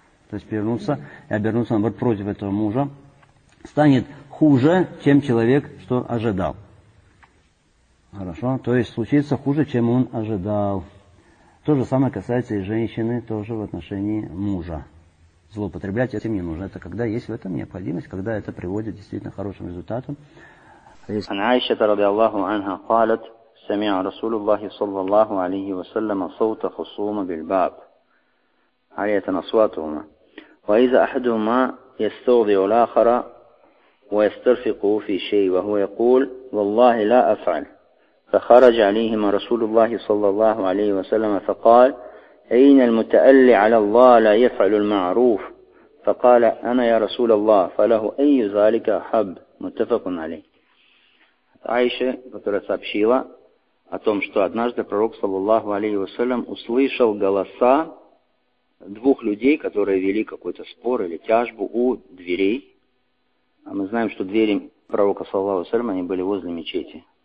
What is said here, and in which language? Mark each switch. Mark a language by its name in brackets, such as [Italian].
[Russian] То есть перевернуться и обернуться наоборот против этого мужа. Станет хуже, чем человек, что ожидал. Хорошо, то есть случится хуже, чем он ожидал. То же самое касается и женщины, тоже в отношении мужа. Злоупотреблять этим не нужно. Это когда есть в этом необходимость, когда это приводит действительно к хорошим результатам. [Arabic] عن عائشة رضي الله عنها قالت سمع رسول الله صلى الله عليه وسلم صوت خصوم بالباب عالية أصواتهما وإذا أحدهما يستوضي الآخر ويسترفق في شيء وهو يقول والله لا أفعل فخرج عليهما رسول الله صلى الله عليه وسلم فقال أين المتألي على الله لا يفعل المعروف فقال أنا يا رسول الله فله أي ذلك أحب متفق عليه. [Russian] Айша, которая сообщила о том, что однажды пророк, саллаллаху алейхи вассалям, услышал голоса двух людей, которые вели какой-то спор или тяжбу у дверей. А мы знаем, что двери пророка, саллаллаху алейхи вассалям, они были возле мечети.